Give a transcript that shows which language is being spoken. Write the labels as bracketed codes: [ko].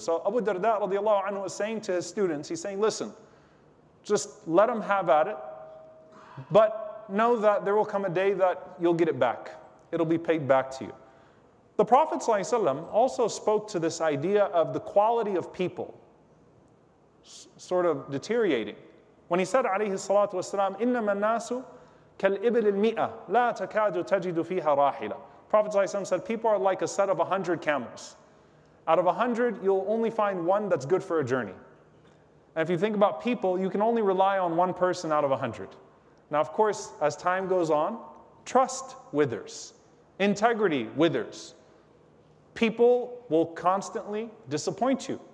[en] So Abu Darda radiallahu anhu was saying to his students, he's saying, listen, just let them have at it, but know that there will come a day that you'll get it back. It'll be paid back to you. The Prophet ﷺ also spoke to this idea of the quality of people sort of deteriorating. When he said, [ar] عليه الصلاة والسلام, إنما الناس كالإبل المئة لا تكاد تجد فيها راحلة. [en] Prophet ﷺ said, people are like a set of 100 camels. Out of 100, you'll only find one that's good for a journey. And if you think about people, you can only rely on one person out of 100. Now, of course, as time goes on, trust withers. Integrity withers. People will constantly disappoint you.